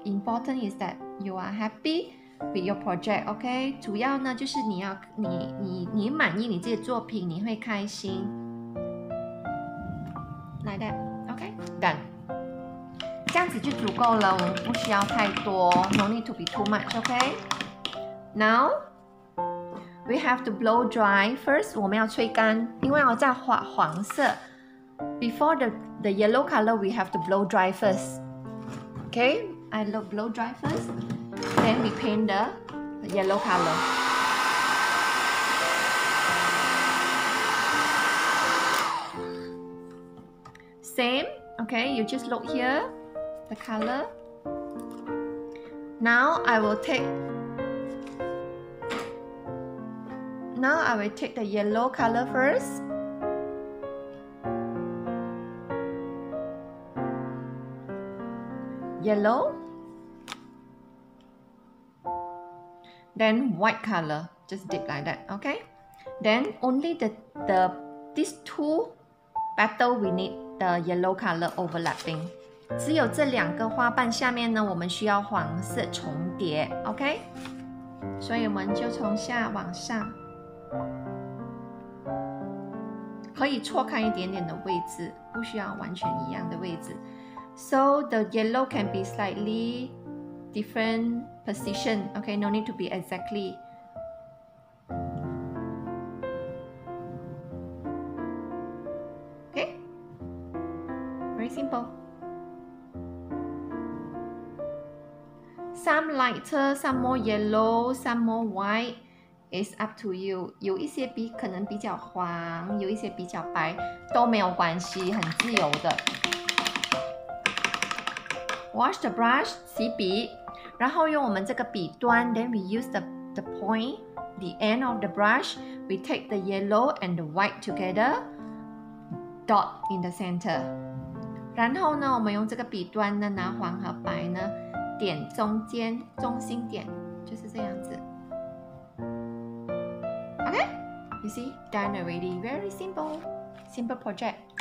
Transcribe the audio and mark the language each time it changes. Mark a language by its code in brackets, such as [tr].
[en] Important is that you are happy with your project, OK? [zh] 主要呢就是你满意你自己的作品，你会开心。 [en] Like that, OK? Done. [zh] 这样子就足够了，我们不需要太多。 [en] No need to be too much, OK? Now, we have to blow dry first. [zh] 我们要吹干，因为要再画黄色。 [en] Before the yellow color, we have to blow dry first. Okay, I blow dry first. Then we paint the yellow color. Same, okay, you just look here, the color. Now I will take the yellow color first. Yellow, then white color, just dip like that, okay? Then only these two petals we need the yellow color overlapping. [zh] 只有这两个花瓣下面呢，我们需要黄色重叠， okay? 所以我们就从下往上，可以错开一点点的位置，不需要完全一样的位置。 [en] So the yellow can be slightly different position, okay? No need to be exactly. Okay? Very simple. Some lighter, some more yellow, some more white. It's up to you. [zh] 有一些可能比较黄，有一些比较白，都没有关系，很自由的。 [en] Wash the brush, [zh] 洗笔，然后用我们这个笔端 [en] then we use the point, the end of the brush, we take the yellow and the white together, dot in the center. [zh] 然后呢，我们用这个笔端呢，拿黄和白呢，点中间，中心点，就是这样子。 [en] Okay, you see, done already, very simple, simple project.